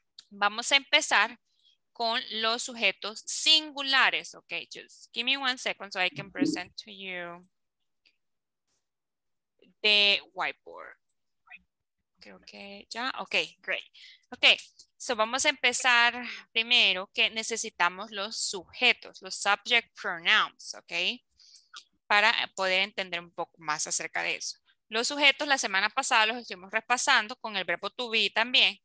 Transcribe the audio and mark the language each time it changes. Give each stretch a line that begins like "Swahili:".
Spanish: Vamos a empezar con los sujetos singulares, ok.
English: Just give me one second so I can present to you the whiteboard.
Spanish: Ok, ya, ok, great. Ok, so vamos a empezar primero que necesitamos los sujetos, los subject pronouns, ok, para poder entender un poco más acerca de eso. Los sujetos la semana pasada los estuvimos repasando con el verbo to be también.